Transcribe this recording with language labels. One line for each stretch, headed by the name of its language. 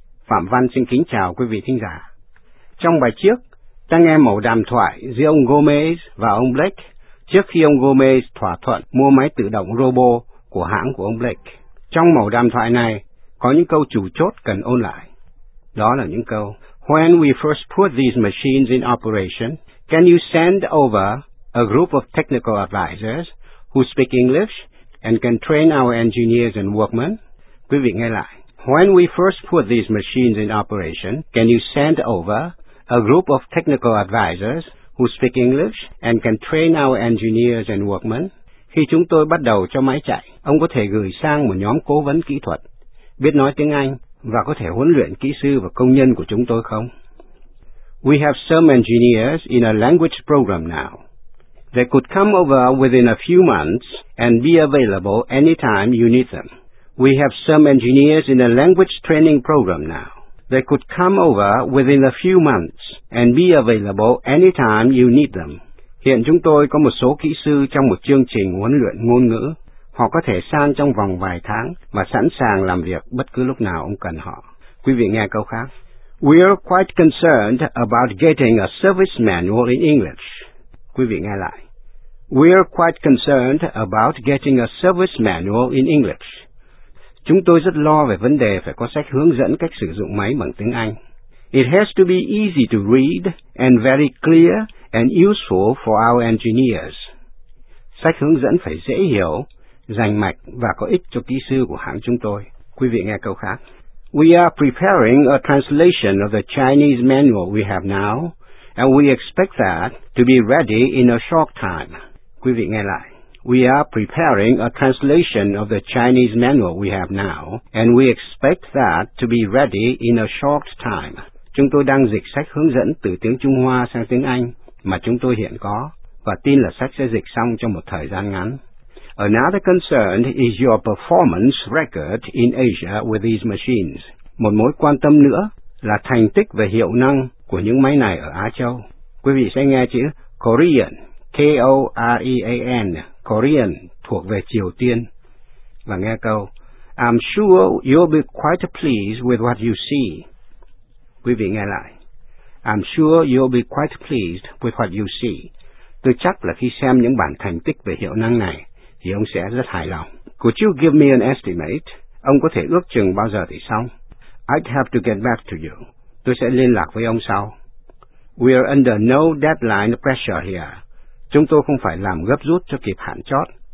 Vietnamese: Phạm Văn xin kính chào quý vị thính giả. Trong bài trước, ta nghe mẩu đàm thoại giữa ông Gomez và ông Blake trước khi ông Gomez thỏa thuận mua máy tự động Robo của hãng của ông Blake. Trong mẩu đàm thoại này, có những câu chủ chốt cần ôn lại. Đó là những câu:
English: When we first put these machines in operation, can you send over a group of technical advisors who speak English and can train our engineers and workmen?
Vietnamese: Quý vị nghe lại.
English: When we first put these machines in operation, can you send over a group of technical advisors who speak English and can train our engineers and workmen?
Vietnamese: Khi chúng tôi bắt đầu cho máy chạy, ông có thể gửi sang một nhóm cố vấn kỹ thuật, biết nói tiếng Anh và có thể huấn luyện kỹ sư và công nhân của chúng tôi không?
English: We have some engineers in a language program now. They could come over within a few months and be available anytime you need them. We have some engineers in a language training program now. They could come over within a few months and be available anytime you need them.
Vietnamese: Hiện chúng tôi có một số kỹ sư trong một chương trình huấn luyện ngôn ngữ. Họ có thể sang trong vòng vài tháng và sẵn sàng làm việc bất cứ lúc nào ông cần họ. Quý vị nghe câu khác.
English: We are quite concerned about getting a service manual in English.
Vietnamese: Quý vị nghe lại.
English: We are quite concerned about getting a service manual in English.
Vietnamese: Chúng tôi rất lo về vấn đề phải có sách hướng dẫn cách sử dụng máy bằng tiếng Anh.
English: It has to be easy to read and very clear and useful for our engineers.
Vietnamese: Sách hướng dẫn phải dễ hiểu, rành mạch và có ích cho kỹ sư của hãng chúng tôi. Quý vị nghe câu khác.
English: We are preparing a translation of the Chinese manual we have now, and we expect that to be ready in a short time.
Vietnamese: Quý vị nghe lại.
English: We are preparing a translation of the Chinese manual we have now, and we expect that to be ready in a short time.
Vietnamese: Chúng tôi đang dịch sách hướng dẫn từ tiếng Trung Hoa sang tiếng Anh mà chúng tôi hiện có, và tin là sách sẽ dịch xong trong một thời gian ngắn.
English: Another concern is your performance record in Asia with these machines.
Vietnamese: Một mối quan tâm nữa là thành tích về hiệu năng của những máy này ở Á Châu. Quý vị sẽ nghe chữ Korean, K-O-R-E-A-N, Korean, thuộc về Triều Tiên. Và nghe câu,
English: I'm sure you'll be quite pleased with what you see.
Vietnamese: Quý vị nghe lại.
English: I'm sure you'll be quite pleased with what you see.
Vietnamese: Tôi chắc là khi xem những bản thành tích về hiệu năng này, thì ông sẽ rất hài lòng.
English: Could you give me an estimate?
Vietnamese: Ông có thể ước chừng bao giờ thì xong?
English: I'd have to get back to you.
Vietnamese: Tôi sẽ liên lạc với ông sau.
English: We are under no deadline pressure here.
Vietnamese: Chúng tôi không phải làm gấp rút cho kịp hạn chót.